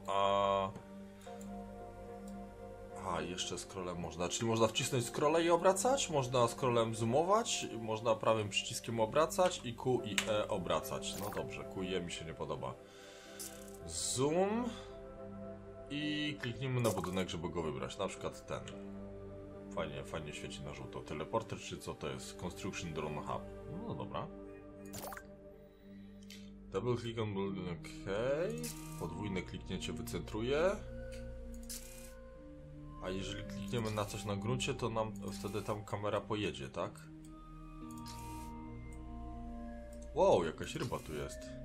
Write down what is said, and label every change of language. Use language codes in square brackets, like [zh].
[pl] A jeszcze scrollem można, czyli można wcisnąć scrolle i obracać, można scrollem zoomować, można prawym przyciskiem obracać i Q i E obracać. No dobrze, Q i E mi się nie podoba. Zoom i kliknijmy na budynek, żeby go wybrać, na przykład ten. Fajnie, fajnie świeci na żółto. Teleporter czy co to jest? Construction Drone Hub. No dobra. [en] Double click on building, okay. [pl] Podwójne kliknięcie wycentruje. A jeżeli klikniemy na coś na gruncie, to nam wtedy tam kamera pojedzie, tak? Wow, jakaś ryba tu jest.